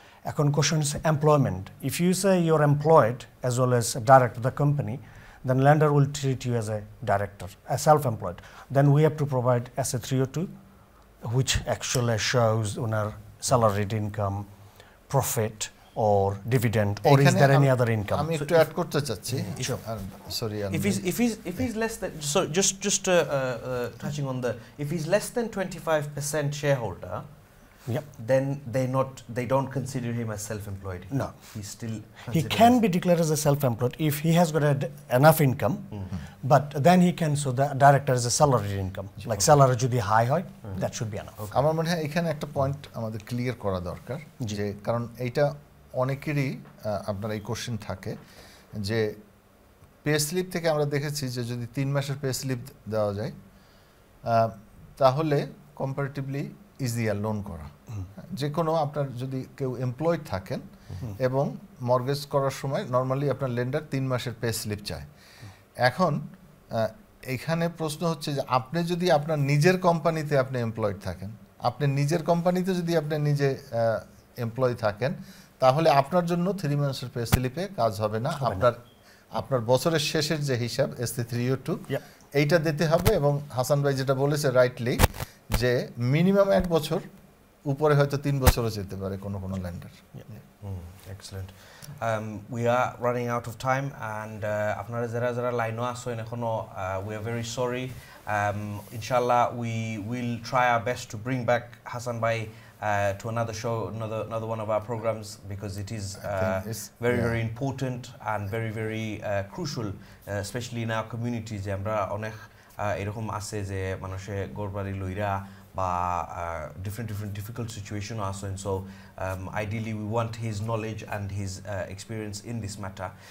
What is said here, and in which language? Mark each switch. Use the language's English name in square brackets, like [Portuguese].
[Bangla] এখন কোশ্চেন হচ্ছে employment. [English] If you say your employed as well as director of the company, then lender will treat you as a director, a self employed, then we have to provide SA-302, which actually shows owner salaried income, profit, or dividend, or is there any other income? [Bangla] আমি একটু add করতে চাচ্ছি, [English] Sorry, if he's less than, so just touching on the, if he's less than 25% shareholder, yep, then they don't consider him as self employed. No, he's still, he can be declared as a self employed if he has got enough income. But then he can, so the director is a salaried income, like salary [Bangla] jodi high hoy, [English] that should be enough. [Bangla] Okay, amar mone hoy ekhane ekta point amader clear kora dorkar je karon eta অনেকেরই আপনার এই question থাকে যে pay slip থেকে আমরা দেখেছি যে যদি 3 মাসের পে স্লিপ দেওয়া যায় তাহলে কম্পারেটিভলি ইজিয়ার লোন করা। যে কোনো আপনার যদি কেউ এমপ্লয়েড থাকেন এবং মর্গেজ করার সময় নর্মালি আপনার লেন্ডার 3 মাসের পে স্লিপ চায়, এখন এখানে প্রশ্ন হচ্ছে যে আপনি যদি আপনার নিজের কোম্পানিতে আপনি এমপ্লয়েড থাকেন, আপনি নিজের কোম্পানিতে যদি আপনি নিজে এমপ্লয় থাকেন, তাহলে আপনার জন্য 3 মান্থসের পে স্লিপে কাজ হবে না। আপনার আপনার বছরের শেষের যে হিসাব ST-302 এইটা দিতে হবে। এবং হাসান ভাই যেটা বলেছে রাইটলি যে মিনিমাম 1 বছর, উপরে হয়তো 3 বছরও যেতে পারে কোনো কোনো lander. [English] excellent, we are running out of time and [Bangla] আপনারা যারা যারা লাইনও আসছেন এখনও, [English] We are very sorry. ইনশাল্লাহ we will try our best to bring back Hasan bhai to another show, another one of our programs, because it is very, very important and very, very crucial, especially in our communities. [Bangla] Amra onek erokom ase je manushe gorbari loira ba [English] different difficult situation also, and so ideally we want his knowledge and his experience in this matter.